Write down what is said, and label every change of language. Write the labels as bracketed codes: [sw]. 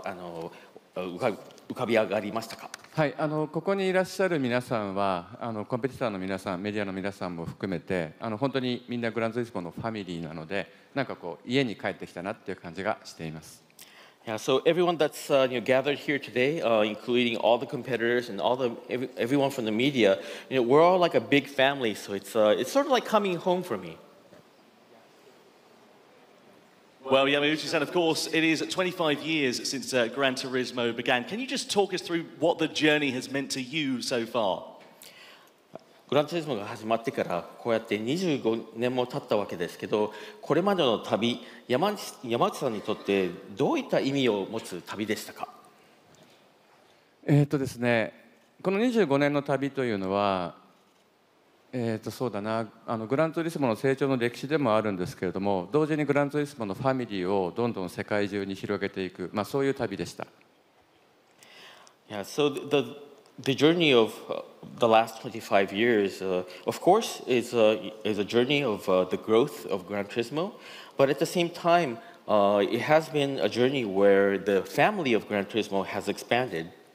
[ja] モナコから離れてもう2年間も経っちゃいましたけど、こうやってまたモナコでこうやってイベントを開催されて、会場に入った時、どのような感情が浮かび上がりましたか？はい、ここにいらっしゃる皆さんは、コンペティターの皆さん、メディアの皆さんも含めて、本当にみんなグランツーリスモのファミリーなので、なんかこう、家に帰ってきたなっていう感じがしています。 [en] Yeah, so everyone that's gathered here today, including all the competitors and all the everyone from the media, you know, we're all like a big family, so it's sort of like coming home for me. Well, Yamauchi-san, of course, it is 25 years since Gran Turismo began. Can you just talk us through what the journey has meant to you so far? [ja] Gran Turismo が始まってからこうやって25年も経ったわけですけど、これまでの旅、山内さんにとってどういった意味を持つ旅でしたか？ですね、この25年の旅というのは、そうだな、グランツーリスモの成長の歴史でもあるんですけれども、同時にグランツーリスモのファミリーをどんどん世界中に広げていく、まあ、そういう旅でした。 [en] Yeah, so the journey of the last 25 years, of course, is a journey of the growth of Gran Turismo, but at the same time, it has been a journey where the family of Gran Turismo has expanded.